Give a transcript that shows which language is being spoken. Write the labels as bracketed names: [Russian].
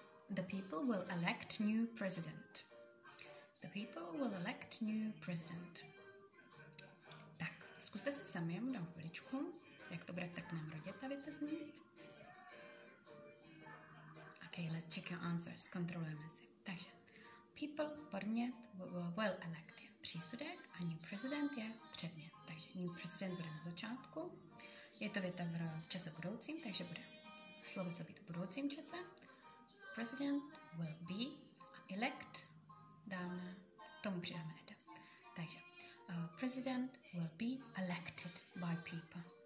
[English] The people will elect new president. The people will elect new president. [Czech] Tak, zkuste se sami, já mu dám chviličku. Jak to bude tak nám rodě ta věta znít? [English] OK, let's check your answers. [Czech] Kontrolujeme si. Takže, people, podmět, well elect je přísudek a new president je předmět. Takže new president bude na začátku. Je to věta v čase budoucím, takže bude sloveso být v budoucím čase. [English] President will be elect. [Czech] Dáme, tomu přidáme ed. [English] Takže, president will be elected by people.